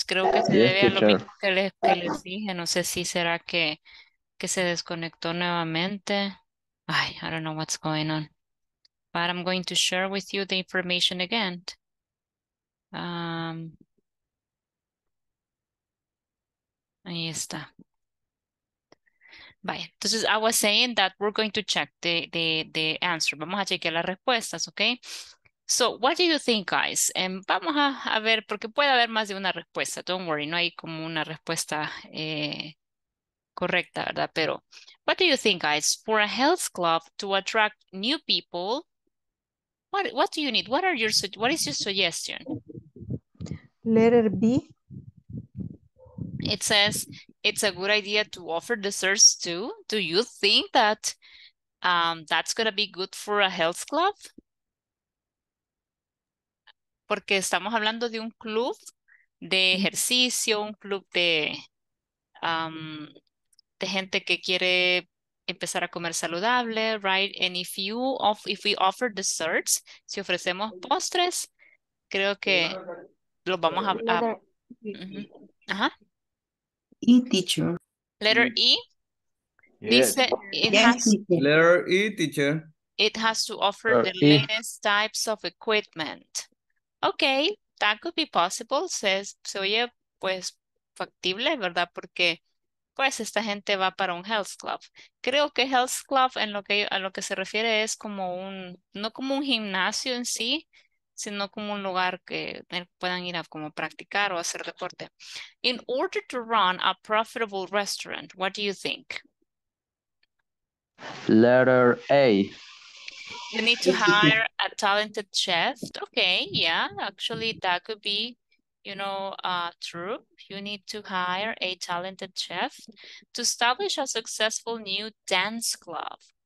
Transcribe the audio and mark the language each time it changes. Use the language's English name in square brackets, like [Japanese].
[Spanish] Creo que se debe a lo mismo que les dije. No sé si será que se desconectó nuevamente. [English] Ay, I don't know what's going on. But I'm going to share with you the information again. [Spanish] Ahí está. Vaya. Entonces, [English] I was saying that we're going to check the answer. [Spanish] Vamos a chequear las respuestas, [English] okay? So, what do you think, guys? [Spanish] Vamos a ver, porque puede haber más de una respuesta. [English] Don't worry, [Spanish] no hay como una respuesta correcta, ¿verdad? Pero, [English] what do you think, guys? For a health club to attract new people, What do you need? What is your suggestion? Letter B. It says it's a good idea to offer desserts too. Do you think that that's gonna be good for a health club? [Spanish] Porque estamos hablando de un club de ejercicio, un club de gente que quiere empezar a comer saludable, right? [English] And if you if we offer desserts, [Spanish] si ofrecemos postres, creo que lo vamos a... [English] E, teacher. Letter E? Yes. Letter E, teacher. It has to offer the latest types of equipment. Okay, that could be possible. [Spanish] Se oye, pues, factible, ¿verdad? Porque... pues esta gente va para un health club. Creo que health club en lo que a lo que se refiere es como un, no como un gimnasio en sí, sino como un lugar que puedan ir a como practicar o hacer deporte. [English] In order to run a profitable restaurant, what do you think? Letter A. You need to hire a talented chef. Okay, yeah, actually that could be, you know, true. You need to hire a talented chef to establish a successful new dance club.